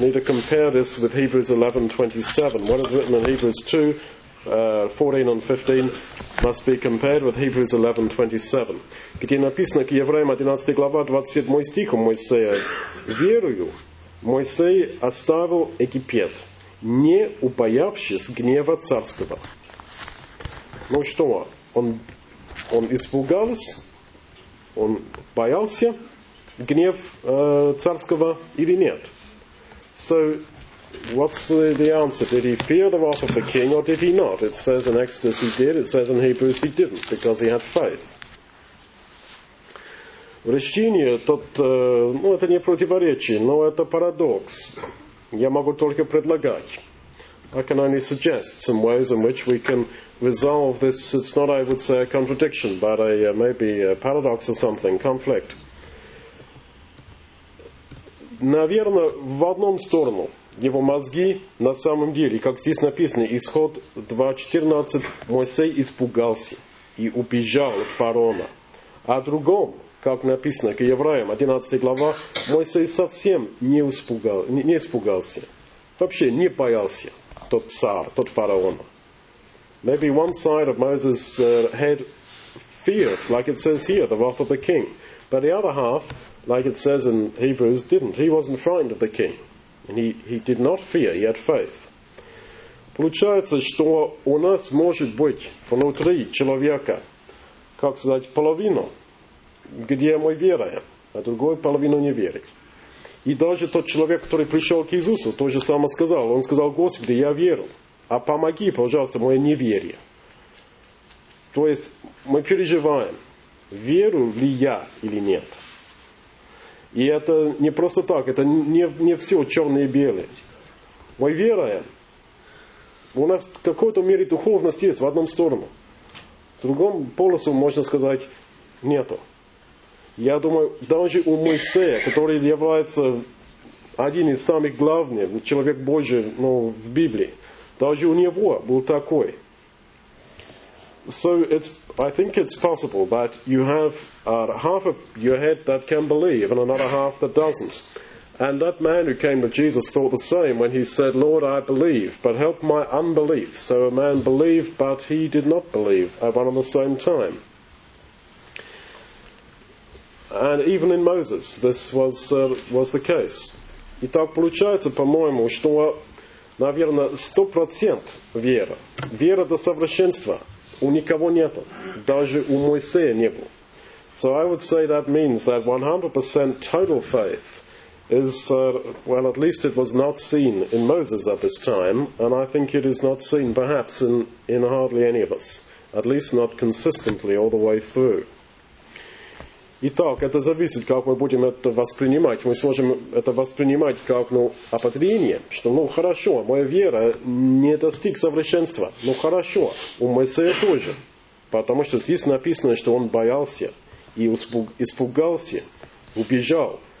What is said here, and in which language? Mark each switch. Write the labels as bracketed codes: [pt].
[en] Need to compare this with Hebrews 11, 27. What is written in Hebrews 2, 14 and 15 must be compared with Hebrews 11, 27. [ru] Где написано к Евреям, 11 глава, 27 стих, у Моисея, верую, Моисей оставил Египет, не упоявшись гнева царского. [en] Ну что, он испугался, он боялся гнев царского или нет? So, what's the answer? Did he fear the wrath of the king or did he not? It says in Exodus he did, it says in Hebrews he didn't, because he had faith. [ru] Решение, тот, ну это не противоречие, но это парадокс. Я могу только предлагать. [en] I can only suggest some ways in which we can resolve this. It's not, I would say, a contradiction, but maybe a paradox or something, conflict. [ru] Наверное, в одну сторону его мозги на самом деле, как здесь написано, исход 2.14, Моисей испугался и убежал от фараона. А в другом, как написано к Евреям, 11 глава, Моисей совсем не испугался, вообще не боялся. Тот цар, тот фараон. [en] Maybe one side of Moses' head feared, like it says here, the wrath of the king. But the other half, like it says in Hebrews, didn't. He wasn't frightened of the king. And he did not fear, he had faith. [ru] Получается, что у нас может быть внутри человека, как сказать, половину, где мы верим, а другую половину не верить. И даже тот человек, который пришел к Иисусу, то же самое сказал. Он сказал, Господи, я верю, а помоги, пожалуйста, мое неверие. То есть мы переживаем, верю ли я или нет. И это не просто так, это не все черное и белое. Мы верим. У нас в какой-то мере духовность есть в одном сторону. В другом полосу, можно сказать, нету. Я думаю, даже у Моисея, который является один из самых главных, человек Божий, ну, в Библии, даже у него был такой. [en] So it's, I think it's possible that you have half of your head that can believe and another half that doesn't. And that man who came to Jesus thought the same when he said, Lord, I believe, but help my unbelief. So a man believed, but he did not believe at one and the same time. And even in Moses, this was the case. [ru] Итак, получается, по-моему, что, наверное, 100% вера. Вера до совершенства у никого нету. Даже у Моисея не было. [en] So I would say that means that 100% total faith is, well, at least it was not seen in Moses at this time, and I think it is not seen, perhaps, in hardly any of us. At least not consistently all the way through. [ru] Итак, это зависит, как мы будем это воспринимать. Мы сможем это воспринимать как, ну, ободрение, что, ну, хорошо, моя вера не достиг совершенства. Ну, хорошо, у Моисея тоже. Потому что здесь написано, что он боялся и испугался, убежал.